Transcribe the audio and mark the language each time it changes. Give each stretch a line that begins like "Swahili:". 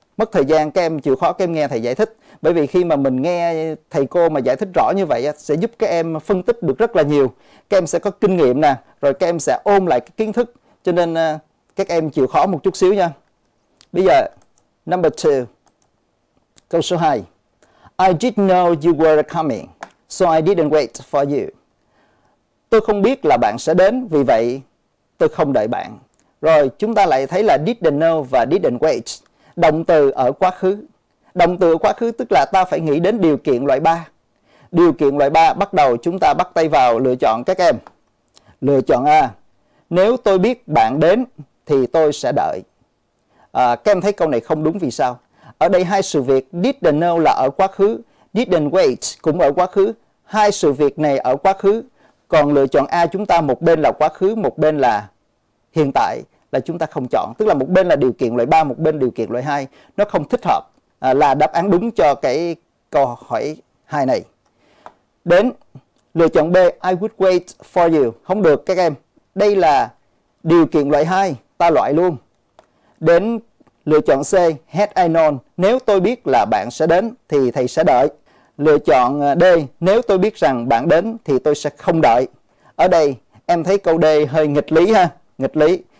Vietnamese: Mất thời gian các em chịu khó các em nghe thầy giải thích. Bởi vì khi mà mình nghe thầy cô mà giải thích rõ như vậy sẽ giúp các em phân tích được rất là nhiều. Các em sẽ có kinh nghiệm nè. Rồi các em sẽ ôn lại cái kiến thức. Cho nên các em chịu khó một chút xíu nha. Bây giờ
English: number 2.
Vietnamese: Câu số 2.
English: I didn't know you were coming, so I didn't wait for you.
Vietnamese: Tôi không biết là bạn sẽ đến, vì vậy tôi không đợi bạn. Rồi chúng ta lại thấy là didn't know và didn't wait. Động từ ở quá khứ. Động từ ở quá khứ tức là ta phải nghĩ đến điều kiện loại 3. Điều kiện loại 3 bắt đầu chúng ta bắt tay vào lựa chọn các em. Lựa chọn A. Nếu tôi biết bạn đến thì tôi sẽ đợi. Các em thấy câu này không đúng vì sao? Ở đây hai sự việc didn't know là ở quá khứ, didn't wait cũng ở quá khứ. Hai sự việc này ở quá khứ. Còn lựa chọn A chúng ta một bên là quá khứ, một bên là hiện tại, là chúng ta không chọn. Tức là một bên là điều kiện loại 3, một bên điều kiện loại 2. Nó không thích hợp là đáp án đúng cho cái câu hỏi 2 này. Đến lựa chọn
English: B, I would wait for you.
Vietnamese: Không được các em. Đây là điều kiện loại 2, ta loại luôn. Đến lựa chọn C,
English: had I known,
Vietnamese: nếu tôi biết là bạn sẽ đến thì thầy sẽ đợi. Lựa chọn D, nếu tôi biết rằng bạn đến thì tôi sẽ không đợi. Ở đây em thấy câu D hơi nghịch lý ha, nghịch lý.